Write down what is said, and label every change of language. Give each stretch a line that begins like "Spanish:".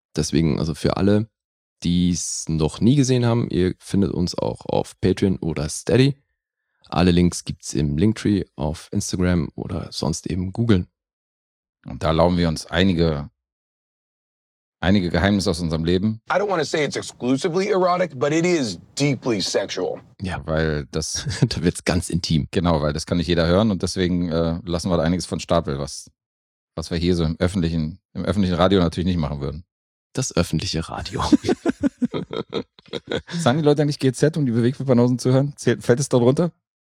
German: Deswegen also für alle, die es noch nie gesehen haben. Ihr findet uns auch auf Patreon oder Steady. Alle Links gibt's im Linktree auf Instagram oder sonst eben googeln. Und da erlauben wir uns einige Geheimnisse aus unserem Leben.
English: I don't want to say it's exclusively erotic, but it is deeply sexual.
German: Ja, weil das... da wird's ganz intim. Genau, weil das kann nicht jeder hören und deswegen lassen wir da einiges von Stapel, was wir hier so im öffentlichen Radio natürlich nicht machen würden. Das öffentliche Radio. Sagen die Leute eigentlich GEZ, um die Bewegtbildpanosen zu hören? Fällt es dort runter?